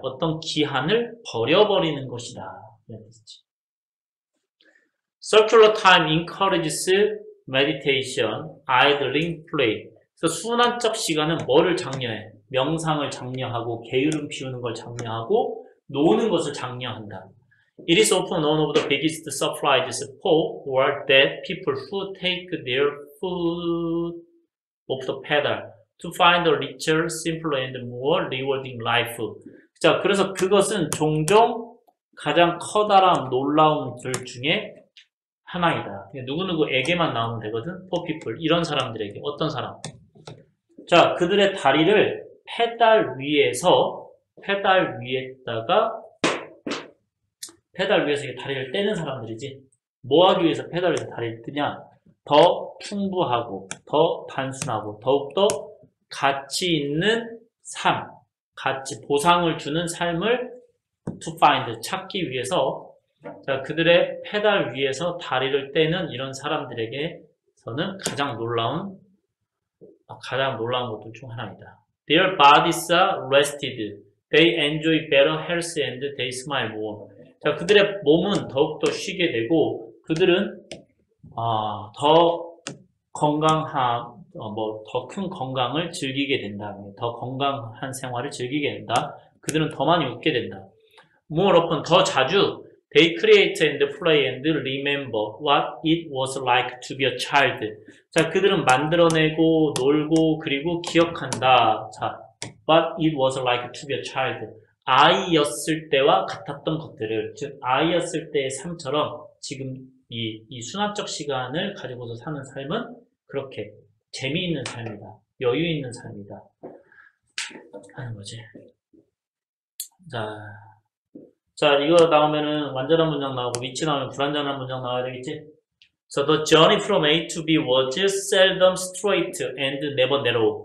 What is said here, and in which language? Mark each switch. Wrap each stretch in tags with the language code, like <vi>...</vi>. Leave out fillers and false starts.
<ko>어떤 기한을 버려버리는 것이다.</ko> <en>Circular time encourages meditation, idling, play.</en> <ko>그래서 순환적 시간은 뭐를 장려해? 명상을 장려하고, 게으름 피우는 걸 장려하고, 노는 것을 장려한다.</ko> <en>It is often one of the biggest surprises for world people who take their foot off the pedal to find a richer, simpler, and more rewarding life.</en> <ko>자, 그래서 그것은 종종 가장 커다란 놀라움들 중에 하나이다. 누구누구에게만 나오면 되거든.</ko> <en>For people.</en> <ko>이런 사람들에게. 어떤 사람? 자, 그들의 다리를 페달 위에다가 페달 위에서 다리를 떼는 사람들이지. 뭐 하기 위해서 페달 위에서 다리를 뜨냐? 더 풍부하고, 더 단순하고, 더욱더 가치 있는 삶, 가치, 보상을 주는 삶을</ko> <en>to find,</en> <ko>찾기 위해서, 자, 그들의 페달 위에서 다리를 떼는 이런 사람들에게서는 가장 놀라운 것들 중 하나이다.</ko> <en>Their bodies are rested. They enjoy better health and they smile more.</en> <ko>자, 그들의 몸은 더욱더 쉬게 되고, 그들은, 더큰 건강을 즐기게 된다. 더 건강한 생활을 즐기게 된다. 그들은 더 많이 웃게 된다.</ko> <en>More often,</en> <ko>더 자주,</ko> <en>they create and play and remember what it was like to be a child.</en> <ko>자, 그들은 만들어내고, 놀고, 그리고 기억한다.</ko> <en>자, what it was like to be a child.</en> <ko>아이였을 때와 같았던 것들을, 즉, 아이였을 때의 삶처럼 지금 이 수납적 시간을 가지고서 사는 삶은 그렇게 재미있는 삶이다. 여유 있는 삶이다. 하는 거지. 자, 이거 나오면은 완전한 문장 나오고 위치 나오면 불완전한 문장 나와야 되겠지?</ko> <en>So the journey from A to B was seldom straight and never narrow.</en>